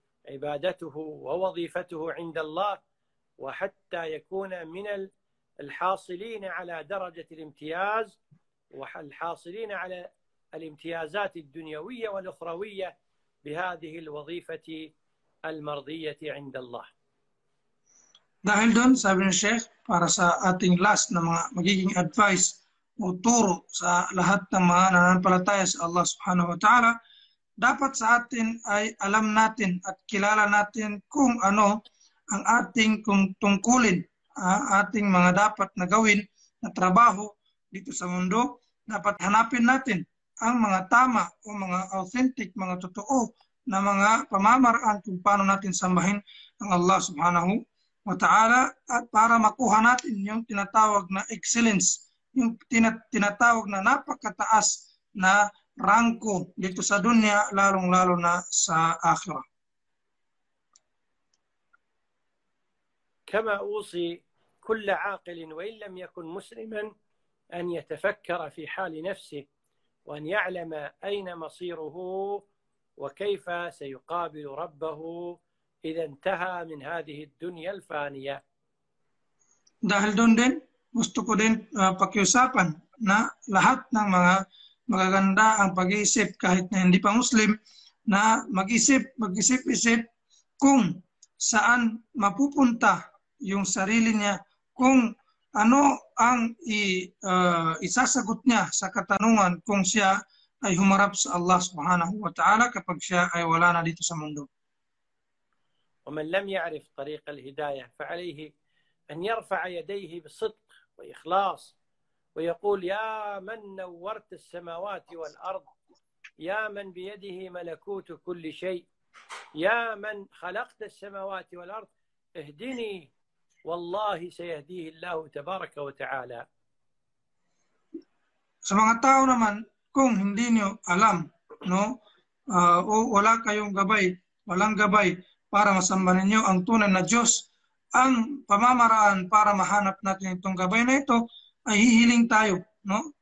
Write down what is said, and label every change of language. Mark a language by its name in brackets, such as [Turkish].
[Arabic] عبادته ووظيفته عند الله وحتى يكون من الحاصلين على درجة الامتياز والحاصلين على الامتيازات الدنيوية والأخروية بهذه الوظيفة المرضية عند الله. [Filipino] Dahil doon, sabi ni Sheikh, para sa ating last na mga magiging advice o turo sa lahat ng mga nananampalataya sa Allah subhanahu wa ta'ala, dapat sa atin ay alam natin at kilala natin kung ano ang ating kung tungkulin, ating mga dapat na gawin na trabaho dito sa mundo. Dapat hanapin natin ang mga tama o mga authentic, mga totoo na mga pamamaraan kung paano natin sambahin ang Allah subhanahu wa ta'ala, at para makuha natin yung tinatawag na excellence, yung tinatawag na napakataas na rangko dito sa dunya, lalong-lalo na sa akhirah. [Arabic] كما أوصي كل عاقل وإن لم يكن مسلما أن يتفكر في حال نفسه وأن يعلم أين مصيره وكيف سيقابل ربه إذا انتهى من هذه الدنيا الفانية. [Filipino] Dahil doon din, gusto ko din pakiusapan na lahat ng mga magaganda ang pag-iisip kahit na hindi pa Muslim na mag-isip-isip kung saan mapupunta yung sarili niya, kung ano ang isasagot niya sa katanungan kung siya ay humarap sa Allah subhanahu wa ta'ala kapag siya ay wala na dito sa mundo. [Arabic] ومن لم يعرف طريق الهداية فعليه أن يرفع يديه بصدق وإخلاص ويقول يا من نورت السماوات والأرض يا من بيده ملكوت كل شيء يا من خلقت السماوات والأرض اهدني والله سيهديه الله تبارك وتعالى. [Filipino] Mga tao naman, kung hindi niyo alam, no, wala kayong gabay, walang gabay para masamba ninyo ang tunay na Diyos, ang pamamaraan para mahanap natin itong gabay na ito ay hihiling tayo. No?